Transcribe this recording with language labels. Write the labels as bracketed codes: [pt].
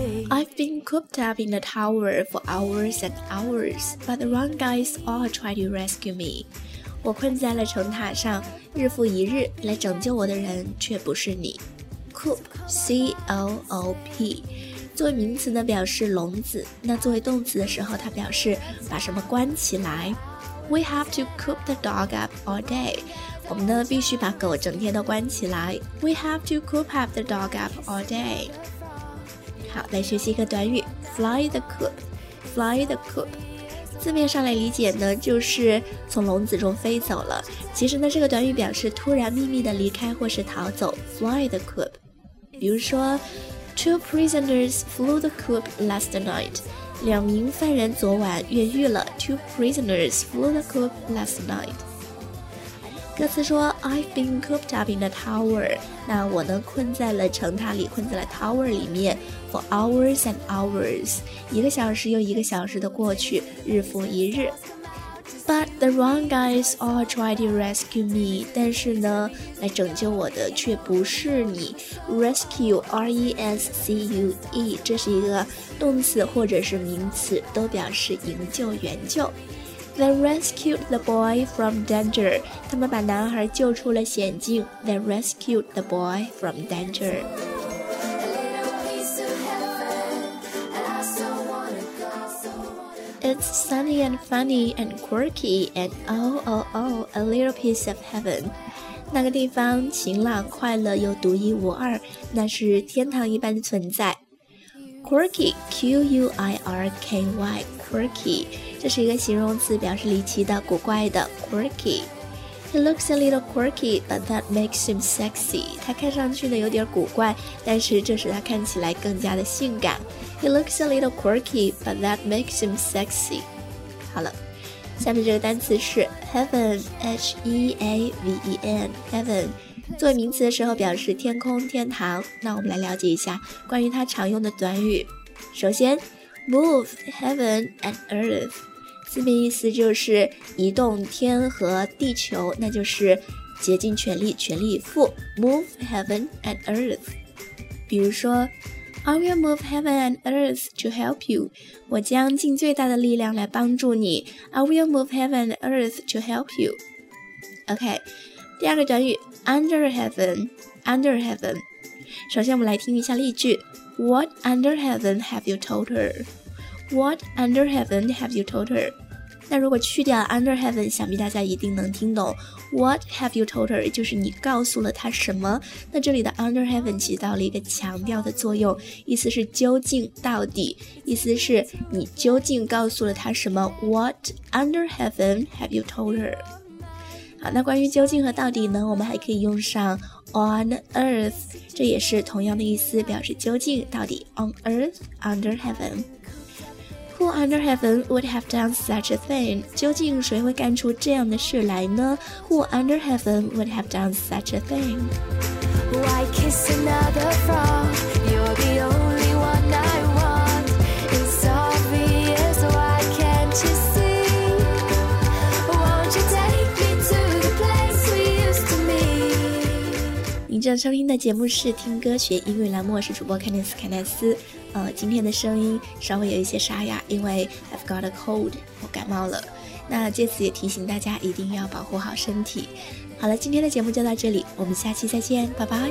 [en] I've been cooped up in the tower for hours and hours, but the wrong guys all try to rescue me. [zh] 我困在了城塔上，日复一日，来拯救我的人却不是你。 Coop, C-O-O-P, 作为名词呢表示笼子，那作为动词的时候它表示把什么关起来。 [en] We have to coop the dog up all day. [zh] 我们呢必须把狗整天都关起来。 [en] We have to coop up the dog up all day. [zh] 好，来学习一个短语 [en] fly the coop. Fly the coop, [zh] 字面上来理解呢，就是从笼子中飞走了。其实呢，这个短语表示突然秘密的离开或是逃走。 [en] Fly the coop, [zh] 比如说 [en] Two prisoners flew the coop last night. [zh] 两名犯人昨晚越狱了。 [en] Two prisoners flew the coop last night. [zh] 歌词说 [en] I've been cooped up in the tower. [zh] 那我呢，困在了城塔里，困在了 tower 里面。 [en] For hours and hours, [zh] 一个小时又一个小时的过去，日复一日。 [en] But the wrong guys all try to rescue me. [zh] 但是呢，来拯救我的却不是你。 Rescue, R-E-S-C-U-E, 这是一个动词或者是名词，都表示营救、援救。 [en] They rescued the boy from danger. [zh] 他们把男孩救出了险境。 [en] They rescued the boy from danger. It's sunny and funny and quirky and oh oh oh, a little piece of heaven. [zh] 那个地方晴朗、快乐又独一无二，那是天堂一般的存在。 Quirky, Q-U-I-R-K-Y, quirky, 这是一个形容词，表示离奇的、古怪的。 [en] Quirky. He looks a little quirky, but that makes him sexy. [zh] 他看上去呢有点古怪，但是这使他看起来更加的性感。 [en] He looks a little quirky, but that makes him sexy. [zh] 好了，下面这个单词是 heaven, H-E-A-V-E-N, heaven. 作为名词的时候表示天空、天堂。那我们来了解一下关于它常用的短语。首先 [en] move heaven and earth. [zh] 字面意思就是移动天和地球，那就是竭尽全力、全力以赴。 [en] Move heaven and earth. [zh] 比如说 [en] I will move heaven and earth to help you. [zh] 我将尽最大的力量来帮助你。 [en] I will move heaven and earth to help you. OK, [zh] 第二个短语 [en] under heaven, under heaven. [zh] 首先我们来听一下例句。 [en] What under heaven have you told her? What under heaven have you told her? [zh] 那如果去掉 under heaven, 想必大家一定能听懂。 [en] What have you told her? [zh] 就是你告诉了他什么？那这里的 under heaven 起到了一个强调的作用，意思是究竟、到底，意思是你究竟告诉了他什么？ [en] What under heaven have you told her? [zh] 好，那关于究竟和到底呢，我们还可以用上 on earth, 这也是同样的意思，表示究竟、到底。 [en] On earth, under heaven. Who under heaven would have done such a thing? [zh] 究竟谁会干出这样的事来呢？ [en] Who under heaven would have done such a thing? Why kiss another frog? You're the only one I want. It's obvious, why can't you see? Won't you take me to the place we used to meet? [zh] 您正收听的节目是听歌学英语栏目，我是主播 Candice 凯奈斯。今天的声音稍微有一些沙哑，因为 [en] I've got a cold, [zh] 我感冒了。那借此也提醒大家一定要保护好身体。好了，今天的节目就到这里，我们下期再见，拜拜。